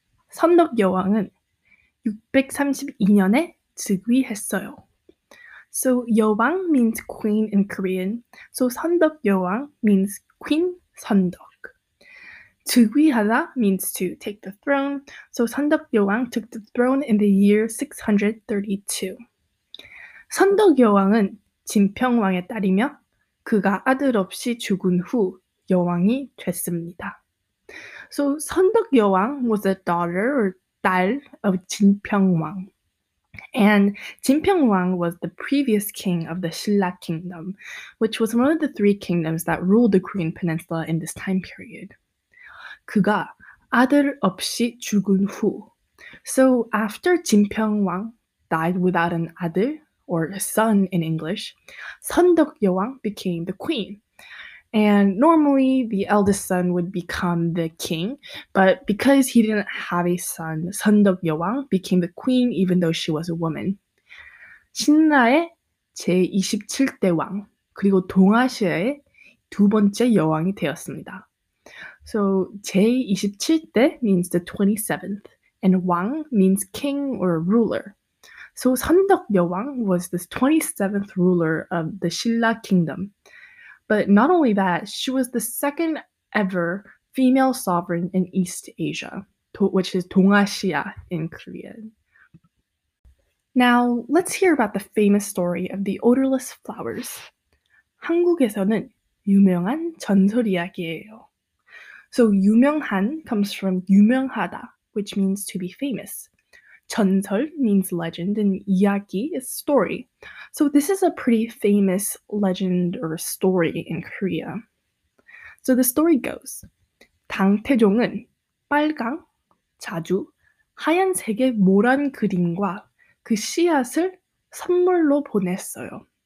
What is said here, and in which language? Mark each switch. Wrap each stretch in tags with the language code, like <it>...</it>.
<ko>Seondeok 여왕은 632년에 즉위했어요.</ko> <en>So 여왕 means queen in Korean. So 선덕 여왕 means Queen Seondeok. 즉위하다 means to take the throne. So 선덕 여왕 took the throne in the year 632.</en> <ko>선덕 여왕은 진평왕의 딸이며 그가 아들 없이 죽은 후 여왕이 됐습니다.</ko> <en>So 선덕 여왕 was a daughter or 딸 of 진평왕. And 진평왕 was the previous king of the Silla kingdom, which was one of the three kingdoms that ruled the Korean peninsula in this time period.</en> <ko>그가 아들 없이 죽은 후.</ko> <en>So after 진평왕 died without an 아들 or a son in English, 선덕 여왕 became the queen. And normally, the eldest son would become the king, but because he didn't have a son, 선덕 여왕 became the queen even though she was a woman.</en> <ko>신라의 제27대 왕, 그리고 동아시아의 두 번째 여왕이 되었습니다.</ko> <en>So, 제27대 means the 27th, and 왕 means king or ruler. So, 선덕 여왕 was the 27th ruler of the Silla kingdom. But not only that, she was the second ever female sovereign in East Asia, which is 동아시아 in Korean. Now, let's hear about the famous story of the odorless flowers.</en> <ko>한국에서는 유명한 전설 이야기예요.</ko> <en>So 유명한 comes from 유명하다, which means to be famous. 전설 means legend and 이야기 is story. So this is a pretty famous legend or story in Korea. So the story goes,</en> <ko>당태종은 빨강, 자주, 하얀색의 모란 그림과 그 씨앗을 선물로 보냈어요.</ko>